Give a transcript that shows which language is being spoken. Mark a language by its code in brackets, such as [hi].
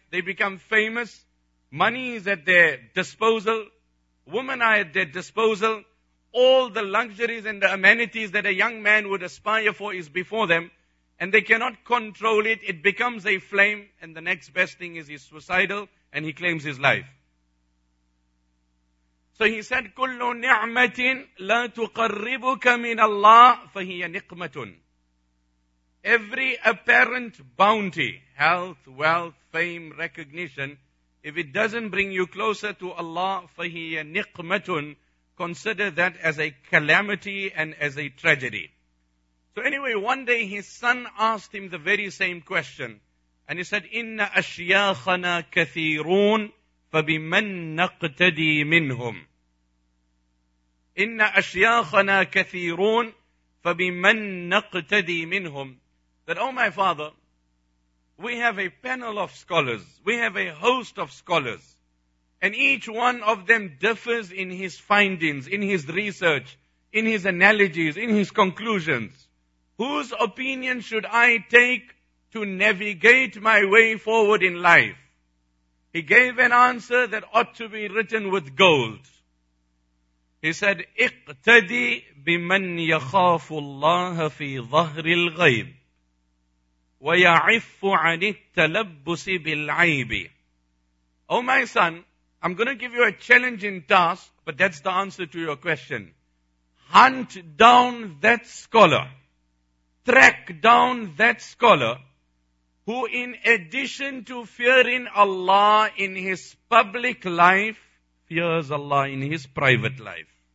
[en] They become famous. Money is at their disposal. Women are at their disposal. All the luxuries and the amenities that a young man would aspire for is before them. And they cannot control it. It becomes a flame. And the next best thing is he's suicidal and he claims his life. So he said, [ar] كُلُّ نِعْمَةٍ لَا تُقَرِّبُكَ مِنَ اللَّهِ فَهِيَ نِقْمَةٌ. [en] Every apparent bounty, health, wealth, fame, recognition, if it doesn't bring you closer to Allah, [ar] فَهِيَ نِقْمَةٌ, [en] consider that as a calamity and as a tragedy. So anyway, one day his son asked him the very same question. And he said, [ar] إِنَّ أَشْيَاخَنَا كَثِيرُونَ فَبِمَنْ نَقْتَدِي مِنْهُمْ. إِنَّ أَشْيَاخَنَا كَثِيرُونَ فَبِمَنْ نَقْتَدِي مِنْهُمْ. [en] That, oh my father, we have a panel of scholars. We have a host of scholars. And each one of them differs in his findings, in his research, in his analogies, in his conclusions. Whose opinion should I take to navigate my way forward in life? He gave an answer that ought to be written with gold. He said, [ar] اقتدي بمن يخاف الله في ظهر الغيب وَيَعِفُّ عَنِ التَّلَبُّسِ بِالْعَيْبِ. [en] Oh my son, I'm going to give you a challenging task, but that's the answer to your question. Hunt down that scholar. Track down that scholar who, in addition to fearing Allah in his public life, fears Allah in his private life.